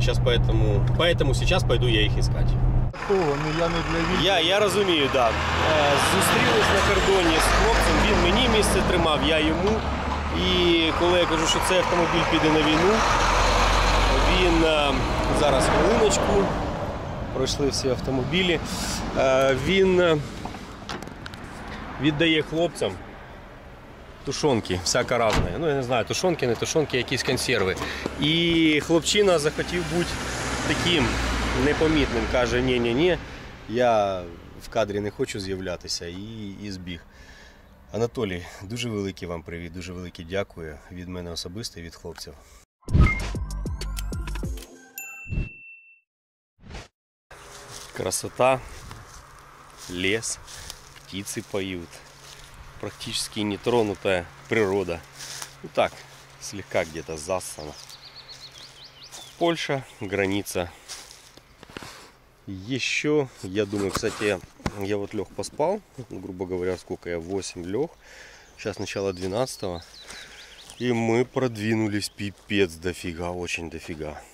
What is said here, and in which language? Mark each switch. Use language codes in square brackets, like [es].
[ru] Сейчас поэтому сейчас пойду я их искать. [uk] Я розумію, да. Зустрілись на кордоні з хлопцем, він мені місце тримав, я йому. І коли я кажу, що цей автомобіль піде на війну, він зараз хвилиночку, пройшли всі автомобілі, він віддає хлопцям тушонки, всяка разна. Ну, я не знаю, тушонки, не тушонки, якісь консерви. І хлопчина захотів бути таким непомітним, каже, ні-ні-ні, я в кадрі не хочу з'являтися, і збіг. Анатолій, дуже великий вам привіт, дуже великий дякую від мене особисто і від хлопців. Красота, ліс, птиці поють, практично нетронута природа. [ru] Ну так, слегка где-то засана. Польща, границя. Еще, я думаю, кстати, я вот лег поспал, грубо говоря, сколько я, 8 лег, сейчас начало 12-го, и мы продвинулись пипец дофига, очень дофига.